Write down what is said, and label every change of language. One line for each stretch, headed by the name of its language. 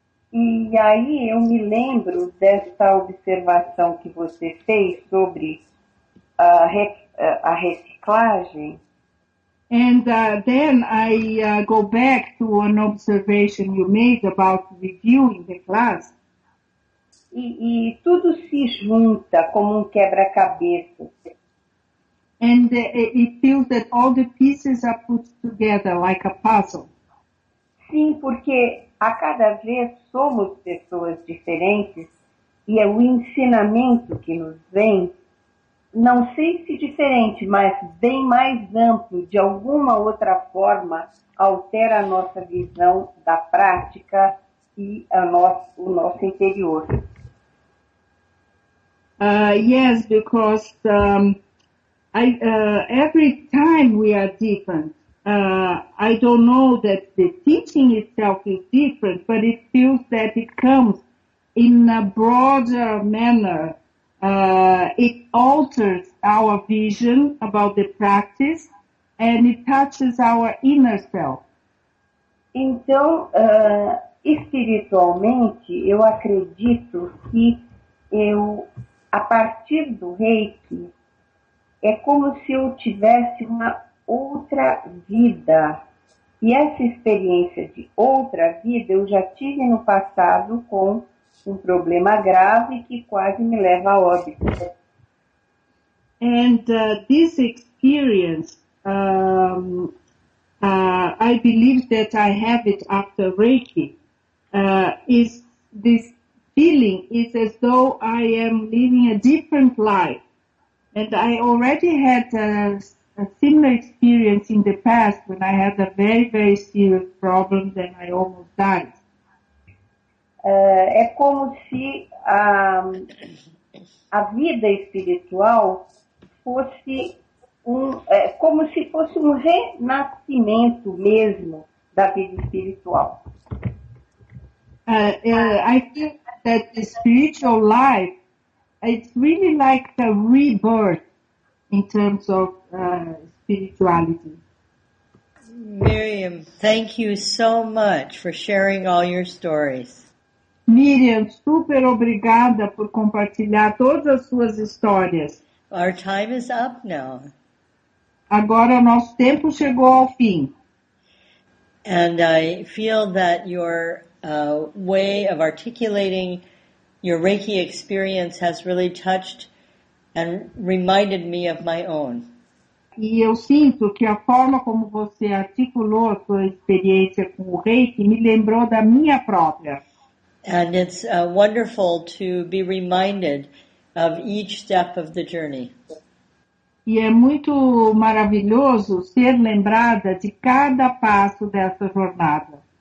Portuguese: E aí eu me lembro desta observação que você fez sobre a reciclagem.
English: And then I go back to an observation you made about reviewing the class.
Portuguese: E tudo se junta como um quebra-cabeça.
English: And it feels that all the pieces are put together like a puzzle.
Portuguese: Sim, porque a cada vez somos pessoas diferentes e é o ensinamento que nos vem. Não sei se diferente, mas bem mais amplo, de alguma outra forma, altera a nossa visão da prática e o nosso interior.
English: Yes, because every time we are different, I don't know that the teaching itself is different, but it feels that it comes in a broader manner. It alters our vision about the practice and it touches our inner self.
Portuguese: Então, espiritualmente, eu acredito que eu, a partir do Reiki, é como se eu tivesse uma outra vida. E essa experiência de outra vida eu já tive no passado com um problema grave que quase me leva a óbito.
English: And this experience, I believe that I have it after Reiki, is this feeling is as though I am living a different life. And I already had a similar experience in the past when I had a very, very serious problem and I almost died.
Portuguese: É como se a vida espiritual fosse como se fosse um renascimento mesmo da vida espiritual.
English: I think that the spiritual life it's really like a rebirth in terms of spirituality. Miriam, thank you so much for sharing all your stories.
Portuguese: Miriam, super obrigada por compartilhar todas as suas histórias.
English: Our time is up now.
Portuguese: Agora nosso tempo chegou ao fim.
English: And I feel that your way of articulating your Reiki experience has really touched and reminded me of my own.
Portuguese: E eu sinto que a forma como você articulou a sua experiência com o Reiki me lembrou da minha própria.
English: And it's wonderful to be reminded of each step of the journey.
Portuguese: E é muito maravilhoso ser lembrada de cada passo dessa jornada.